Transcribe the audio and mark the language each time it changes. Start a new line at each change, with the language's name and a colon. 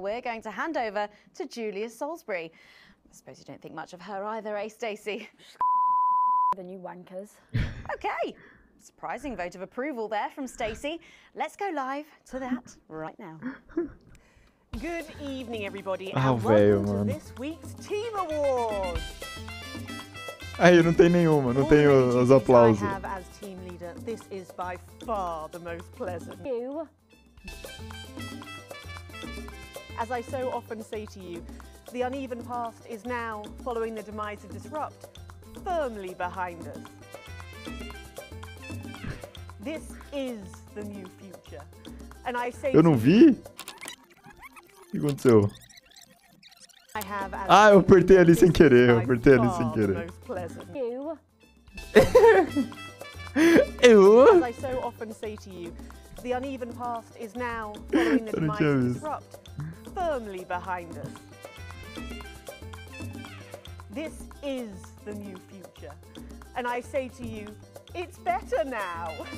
English: We're going to hand over to Julia Salisbury. I suppose you don't think much of her either, eh, Stacey? The new wankers. Okay. Surprising vote of approval there from Stacey. Let's go live to that right now. Good evening, everybody, and welcome to this week's Team Awards.
Portuguese: Aí, não tem nenhuma, não tem os aplausos.
English: I have as team leader, this is by far the most pleasant. Thank you. As I so often say to you, the uneven past is now, following the demise of Disrupt, firmly behind us. This is the new future. And I say.
Portuguese: Eu não vi? O que aconteceu?
English: I have.
Portuguese: Ah, eu apertei ali sem querer. Eu apertei ali sem querer.
English: You. Ew. As I so often say to you, the uneven past is now, following the demise of the corrupt, firmly behind us. This is the new future. And I say to you, it's better now.